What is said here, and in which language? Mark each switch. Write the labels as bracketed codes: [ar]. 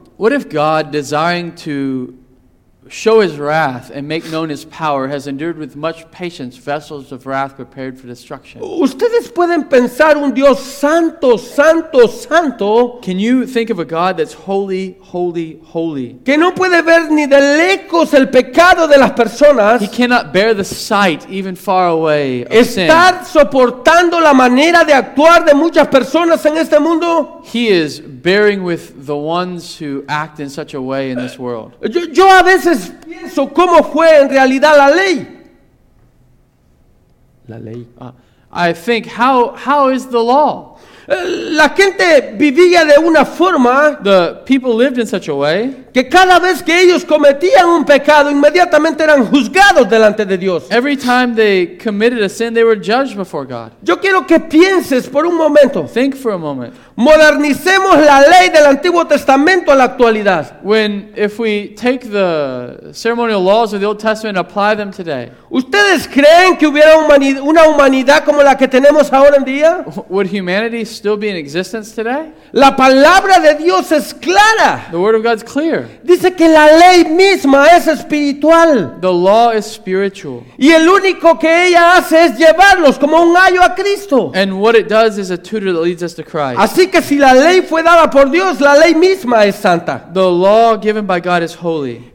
[en] What if God, desiring to show His wrath and make known His power, has endured with much patience vessels of wrath prepared for destruction? [es] ¿Ustedes pueden pensar un Dios santo, santo, santo? [en] Can you think of a God that's holy, holy, holy? [es] Que no puede ver ni de lejos el pecado de las personas. [en] He cannot bear the sight, even far away, of sin. [es] ¿Estar soportando la manera de actuar de muchas personas en este mundo? [en] He is bearing with the ones who act in such a way in this world. [es] Yo a veces pienso cómo fue en realidad la ley. La ley. [en] I think how is the law? [es] La gente vivía de una forma. [en] The people lived in such a way [es] que cada vez que ellos cometían un pecado, inmediatamente eran juzgados delante de Dios. [en] Every time they committed a sin, they were judged before God. [es] Yo quiero que pienses por un momento. [en] Think for a moment. [es] Modernicemos la ley del Antiguo Testamento a la actualidad. [en] When if we take the ceremonial laws of the Old Testament and apply them today. [es] ¿Ustedes creen que hubiera una humanidad como la que tenemos ahora en día? [en] Would humanity still be in existence today? [es] La palabra de Dios es clara. [en] The word of God's clear. [es] Dice que la ley misma es espiritual. [en] The law is spiritual. [es] Y el único que ella hace es llevarlos como un ayo a Cristo. [en] And what it does is a tutor that leads us to Christ. [es] Así Así que si la ley fue dada por Dios, la ley misma es santa. [en] The law given by God is holy.